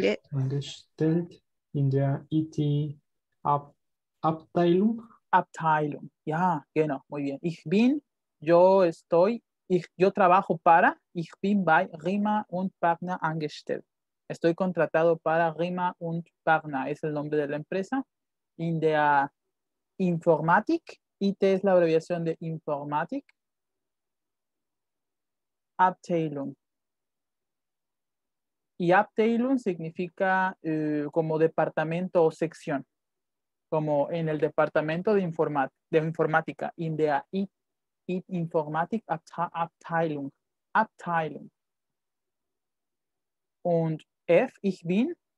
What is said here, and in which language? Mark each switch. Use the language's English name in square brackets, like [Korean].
[German] angestellt in der IT Abteilung. Abteilung, ya, yeah, genau, [Spanish] muy bien. [German] Ich bin, [Spanish] yo estoy, yo trabajo para, [German] ich bin bei Rima und Wagner angestellt. [Spanish] Estoy contratado para Rima und Wagner, es el nombre de la empresa. [German] In der Informatik, [Spanish] IT es la abreviación de Informatik. [German] Abteilung. [Spanish] Y Abteilung significa como departamento o sección. Como en el departamento de informática. [German] In der IT Informatik Abteilung. Abteilung. Und F, ich bin.